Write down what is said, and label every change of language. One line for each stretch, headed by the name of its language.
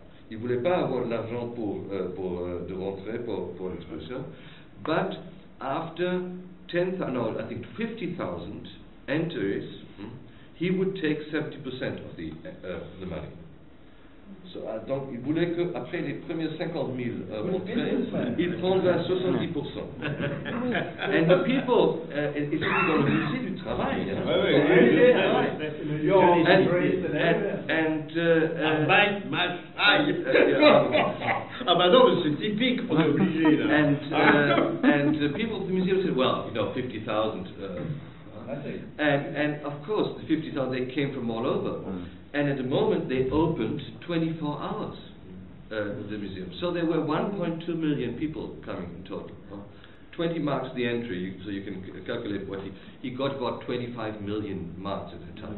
French: Il voulait pas avoir l'argent pour de rentrer pour l'exposition.
English: But after 50,000 entries, he would take 70% of the money.
French: Donc, il voulait que après les premiers 50 000 portraits, il prendrait 70%.
English: And the people,
French: et c'est dans le musée du travail. Oui, oui, oui. Ah, bah non, c'est typique, on est obligé là.
English: And the people of the museum said, well, you know, 50,000. And of course, the 50,000, they came from all over. And at the moment, they opened 24 hours, the museum. So there were 1.2 million people coming in total. 20 marks the entry, so you can calculate what he got about 25 million marks at the time.